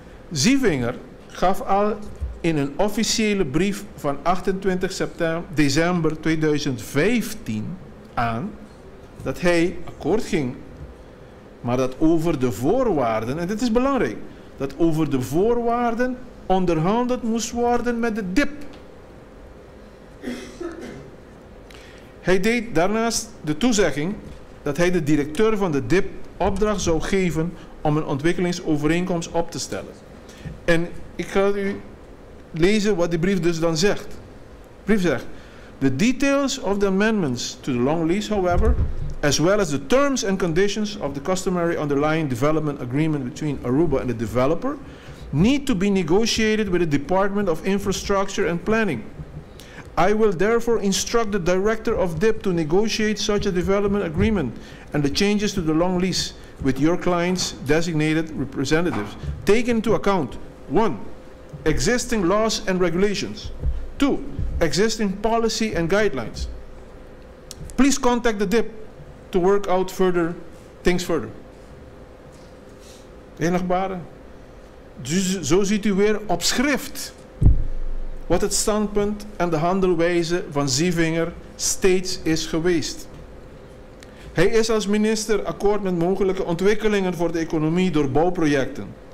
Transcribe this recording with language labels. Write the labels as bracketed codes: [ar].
[nl] Zievinger gaf al in een officiële brief van 28 december 2015 aan dat hij akkoord ging, maar dat over de voorwaarden, en dit is belangrijk, dat over de voorwaarden onderhandeld moest worden met de DIP. Hij deed daarnaast de toezegging dat hij de directeur van de DIP opdracht zou geven om een ontwikkelingsovereenkomst op te stellen. En ik ga u lezen wat die brief dus dan zegt. [en] De brief zegt: "The details of the amendments to the long lease, however, as well as the terms and conditions of the customary underlying development agreement between Aruba and the developer, need to be negotiated with the Department of Infrastructure and Planning. I will therefore instruct the director of DIP to negotiate such a development agreement and the changes to the long lease with your client's designated representatives, taking into account 1. Existing laws and regulations. 2. Existing policy and guidelines. Please contact the DIP to work out further things further." [nl] Enigbare. Zo ziet u weer op schrift wat het standpunt en de handelwijze van Zievinger steeds is geweest. Hij is als minister akkoord met mogelijke ontwikkelingen voor de economie door bouwprojecten.